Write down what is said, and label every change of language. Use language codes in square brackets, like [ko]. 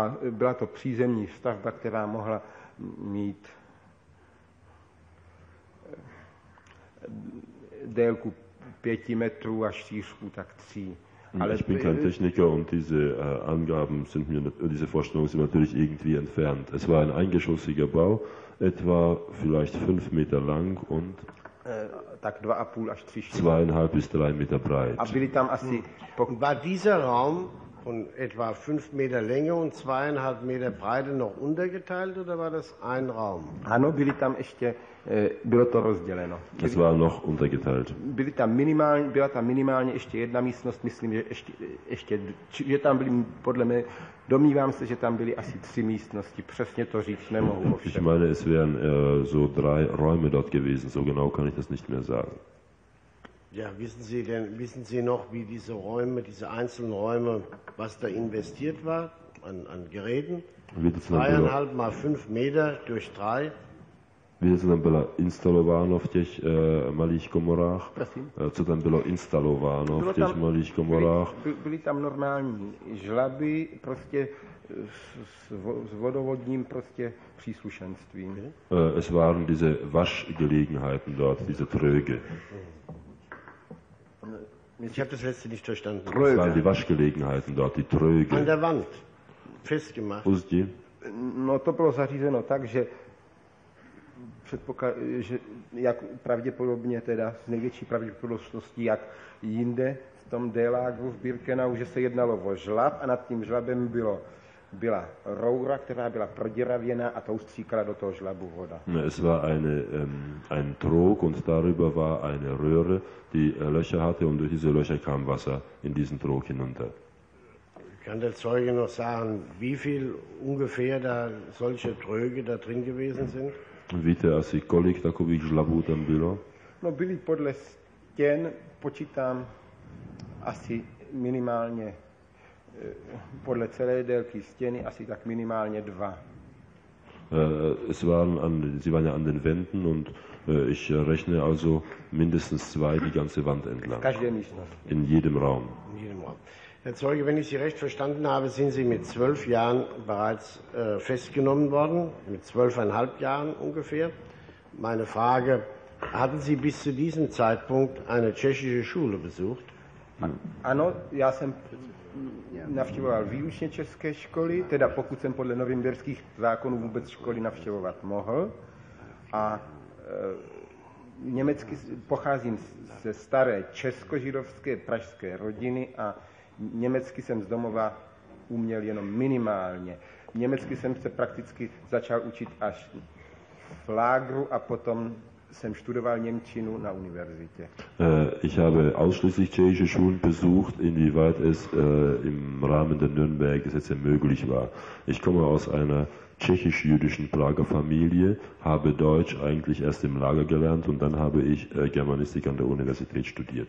[cs] Byla to přízemní stavba, která mohla mít délku 5 metrů a šířku tak 3. [de] Ale ich bin kein Techniker und diese Angaben sind mir, diese Vorstellungen sind natürlich irgendwie entfernt. Es war ein eingeschossiger Bau, etwa vielleicht 5 Meter lang und 2,5 bis 3 Meter breit. War dieser Raum von etwa 5 Meter Länge und 2,5 Meter Breite noch untergeteilt oder war das ein Raum? [cs] Ano, byli tam ještě, bylo to rozděleno. [de] Es war noch untergeteilt. [cs] Byla tam minimálně ještě jedna místnost, myslím, že ještě tam byly, podle mě, domnívám se, že tam byly asi 3 místnosti, přesně to říct nemohu. [de] Ich meine, es wären so 3 Räume dort gewesen, so genau kann ich das nicht mehr sagen. Ja, wissen Sie noch, wie diese Räume, diese einzelnen Räume, was da investiert war an Geräten? 2,5 mal 5 Meter durch 3. [cs] Wie se tam bylo instalováno v těch malých komorách? Prosím? Co tam bylo instalováno bylo v těch tam, malých komorách? Byly tam normální žlaby, prostě s vodovodním prostě příslušenstvím. [de] Es waren diese Waschgelegenheiten dort, diese Tröge. Ich habe das letzte nicht verstanden. Tröge. Es waren die Waschgelegenheiten dort, die Tröge. An der Wand, festgemacht. [cs] Pusti? No to bylo zařízeno tak, že že jak pravděpodobně teda s největší pravděpodobností, jak jinde v tom délágu v Birkenau, že se jednalo o žlab a nad tím žlabem byla roura, která byla proděravěna a tou stříkala do toho žlabu voda. [de] Es war eine ein Trog und darüber war eine Röhre, die Löcher hatte und durch diese Löcher kam Wasser in diesen Trog hinunter. Kann der Zeuge noch sagen, wie viel ungefähr da solche Tröge da drin gewesen sind? [cs] Víte asi, kolik takových žlabů tam bylo? No byly podle stěn, počítám, asi minimálně, podle celé délky stěny, asi tak minimálně dva. [de] Es waren an, sie waren ja an den Wänden und ich rechne also mindestens zwei die ganze Wand entlang. [cs] Každé místnost. [de] In jedem Raum. In jedem Raum. Herr Zeuge, wenn ich Sie recht verstanden habe, sind Sie mit 12 Jahren bereits festgenommen worden, mit 12,5 Jahren ungefähr. Meine Frage, hatten Sie bis zu diesem Zeitpunkt eine tschechische Schule besucht? [cs] Ano, já jsem navštěvoval výučně české školy, teda pokud jsem podle novimbirských zákonů vůbec školy navštěvovat mohl. A německy pocházím ze staré česko-židovské pražské rodiny a německy jsem z domova uměl jenom minimálně. Německy jsem se prakticky začal učit až v lágru a potom jsem studoval němčinu na univerzitě. [de] Ich habe ausschließlich tschechische Schulen besucht, inwieweit es im Rahmen der Nürnberg-Gesetze möglich war. Ich komme aus einer tschechisch-jüdischen Prager Familie, habe Deutsch eigentlich erst im Lager gelernt und dann habe ich Germanistik an der Universität studiert.